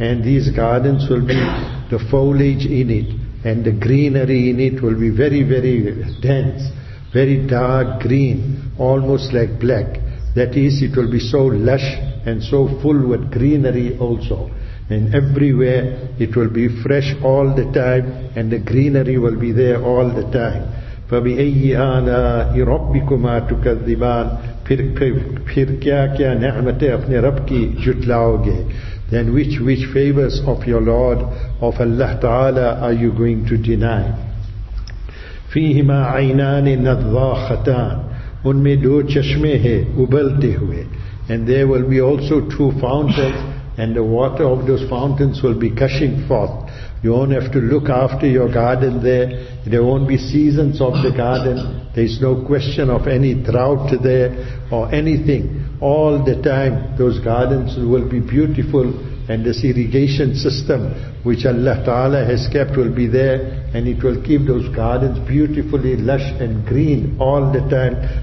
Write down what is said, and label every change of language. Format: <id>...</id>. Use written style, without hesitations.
<en>And these gardens will be, the foliage in it and the greenery in it will be very, very dense, very dark green, almost like black. That is, it will be so lush and so full with greenery also. And everywhere it will be fresh all the time, and the greenery will be there all the time.</en> <ar>فَبِأَيِّ آلَاءِ رَبِّكُمَا تُكَذِّبَانِ</ar> <ur>پھر کیا کیا نعمتیں اپنے رب کی جھٹلاؤ گے.</ur> <en>Then which favors of your Lord, of Allah Ta'ala, are you going to deny?</en> <ar>فِيهِمَا عَيْنَانِ نَضَّاخَتَانِ</ar> <ur>ان میں دو چشمے ہیں اُبلتے ہوئے.</ur> <en>And there will be also two fountains, and the water of those fountains will be gushing forth. You won't have to look after your garden there. There won't be seasons of the garden. There is no question of any drought there or anything. All the time those gardens will be beautiful, and this irrigation system which Allah Ta'ala has kept will be there, and it will keep those gardens beautifully lush and green all the time.</en>